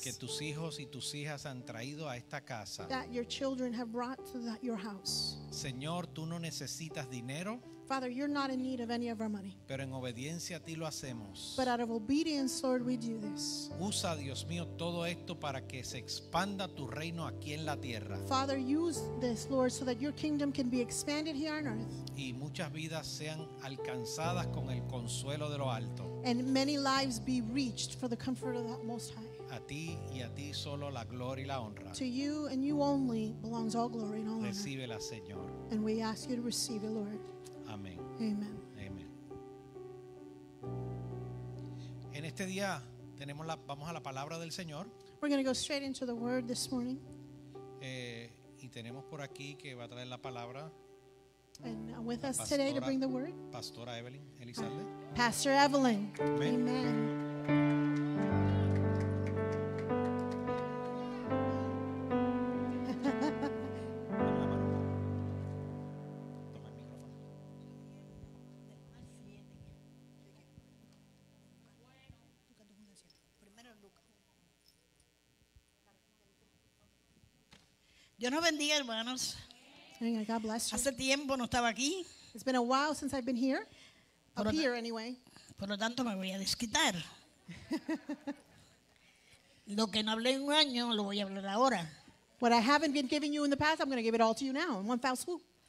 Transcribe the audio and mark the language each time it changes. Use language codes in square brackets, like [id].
[es] Que tus hijos y tus hijas han traído a esta casa. [en] That your children have brought to your house. [es] Señor, tú no necesitas dinero. [en] Father, you're not in need of any of our money. [es] Pero en obediencia a ti lo hacemos. [en] But out of obedience, Lord, we do this. [es] Usa, Dios mío, todo esto para que se expanda tu reino aquí en la tierra. [en] Father, use this, Lord, so that your kingdom can be expanded here on earth. [es] Y muchas vidas sean alcanzadas con el consuelo de lo alto. [en] And many lives be reached for the comfort of the Most High. [es] A ti y a ti solo la gloria y la honra. [en] To you and you only belongs all glory and all honor. [es] Recíbela, Señor. [en] And we ask you to receive it, Lord. [es] Amén. [en] Amen. Amen. [es] En este día tenemos vamos a la palabra del Señor. [en] We're going to go straight into the word this morning. [es] Y tenemos por aquí que va a traer la palabra. [en] And with us pastora, today to bring the word. [es] Pastora Evelyn Elizalde. [en] Pastor Evelyn. Amen. Amen. [es] Dios nos bendiga, hermanos. [en] God bless you. [es] Hace tiempo no estaba aquí. [en] It's been a while since I've been here. Up here anyway. [es] Por lo tanto, me voy a desquitar. Lo que no hablé en un año, lo voy a hablar ahora. [en] What I haven't been giving you in the past, I'm going to give it all to you now in one fell swoop.